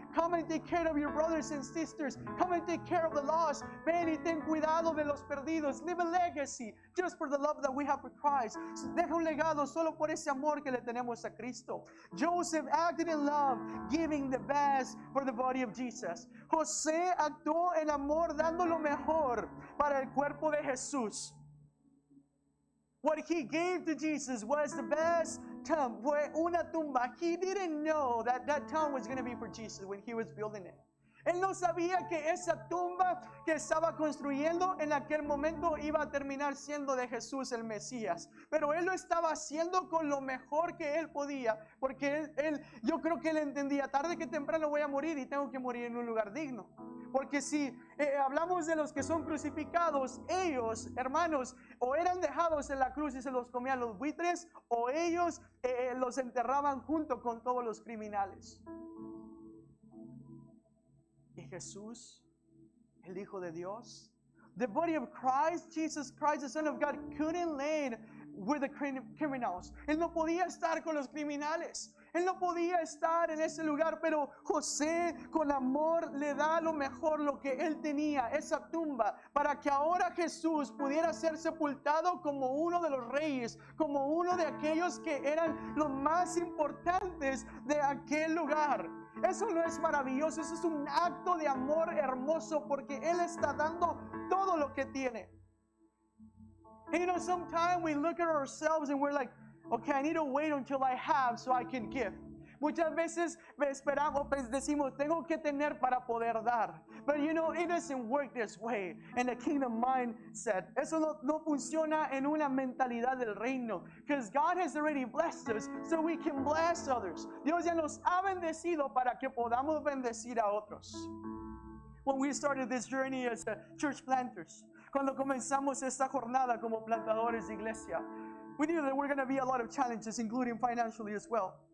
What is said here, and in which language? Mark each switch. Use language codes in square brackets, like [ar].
[en] Come and take care of your brothers and sisters. Come and take care of the lost. [es] Ven y ten cuidado de los perdidos. [en] Leave a legacy just for the love that we have for Christ. [es] Deja un legado solo por ese amor que le tenemos a Cristo. [en] Joseph acted in love, giving the best for the body of Jesus. [es] José actuó en amor, dando lo mejor para el cuerpo de Jesús. [en] What he gave to Jesus was the best tomb, [es] fue una tumba. [en] He didn't know that tomb was going to be for Jesus when he was building it. [es] Él no sabía que esa tumba que estaba construyendo en aquel momento iba a terminar siendo de Jesús el Mesías. Pero él lo estaba haciendo con lo mejor que él podía, porque él yo creo que él entendía, tarde que temprano voy a morir y tengo que morir en un lugar digno. Porque si hablamos de los que son crucificados, ellos, hermanos, o eran dejados en la cruz y se los comían los buitres, o ellos los enterraban junto con todos los criminales. Y Jesús, el Hijo de Dios, [en] the body of Christ, Jesus Christ, the Son of God, couldn't lay with the criminals. [es] Él no podía estar con los criminales. Él no podía estar en ese lugar, pero José con amor le da lo mejor, lo que él tenía, esa tumba, para que ahora Jesús pudiera ser sepultado como uno de los reyes, como uno de aquellos que eran los más importantes de aquel lugar. Eso no es maravilloso, eso es un acto de amor hermoso, porque él está dando todo lo que tiene. [en] And you know, sometimes we look at ourselves and we're like, okay, I need to wait until I have so I can give. [es] Muchas veces esperamos, pues decimos, tengo que tener para poder dar. [en] But you know, it doesn't work this way in the kingdom mindset. [es] Eso no funciona en una mentalidad del reino. [en] Because God has already blessed us so we can bless others. [es] Dios ya nos ha bendecido para que podamos bendecir a otros. [en] When we started this journey as church planters, [es] cuando comenzamos esta jornada como plantadores de iglesia, [en] we knew there were going to be a lot of challenges, including financially as well.